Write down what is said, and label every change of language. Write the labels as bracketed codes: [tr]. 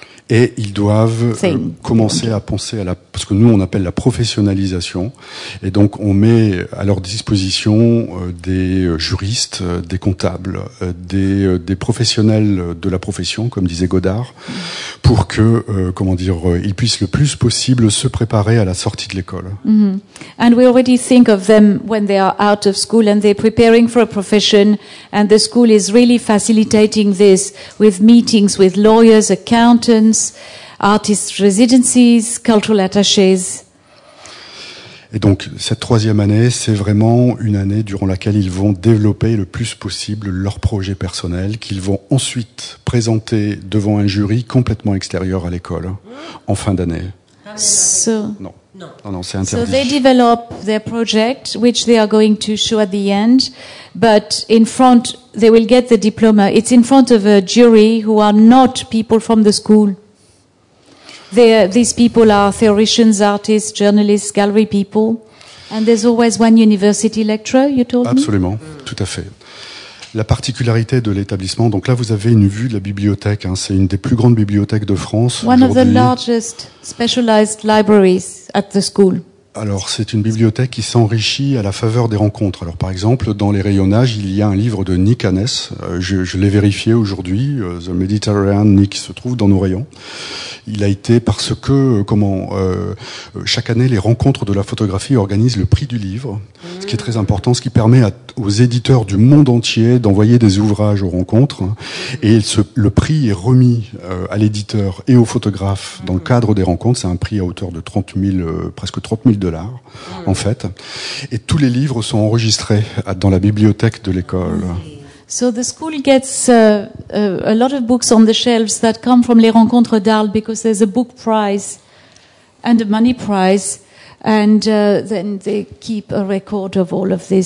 [fr] Et ils doivent commencer à penser à la, ce que nous on appelle la professionnalisation. Et donc on met à leur disposition des juristes, des comptables, des professionnels de la profession, comme disait Godard, pour que, comment dire, ils puissent le plus possible se préparer à la sortie de l'école. Mm-hmm. [en] And we already think of them when they are out of school and they're preparing for a profession. And the school is really facilitating this with meetings with lawyers, accountants, artist residencies, cultural attachés. [fr] Et donc, cette troisième année, c'est vraiment une année durant laquelle ils vont développer le plus possible leur projet personnel, qu'ils vont ensuite présenter devant un jury complètement extérieur à l'école, en fin d'année. Non, c'est interdit. [en] So they develop their project, which they are going to show at the end, but in front, they will get the diploma. It's in front of a jury who are not people from the school. These people are theoricians, artists, journalists, gallery people, and there's always one university lecturer, you told me? [fr] Absolument, tout à fait. La particularité de l'établissement, donc là vous avez une vue de la bibliothèque, hein, c'est une des plus grandes bibliothèques de France. [en] One of the largest specialized libraries at the school. [fr] Alors c'est une bibliothèque qui s'enrichit à la faveur des rencontres. Alors par exemple, dans les rayonnages, il y a un livre de Nick Hannes, je l'ai vérifié aujourd'hui, The Mediterranean, Nick se trouve dans nos rayons. Il a été parce que, chaque année, les rencontres de la photographie organisent le prix du livre, ce qui est très important, ce qui permet aux éditeurs du monde entier d'envoyer des ouvrages aux rencontres. Et le prix est remis à l'éditeur et au photographe dans le cadre des rencontres. C'est un prix à hauteur de presque 30 000 dollars, en fait. Et tous les livres sont enregistrés dans la bibliothèque de l'école. [en] So the school gets a lot of books on the shelves that come from Les Rencontres d'Arles because there's a book prize and a money prize, and then they keep a record of all of this.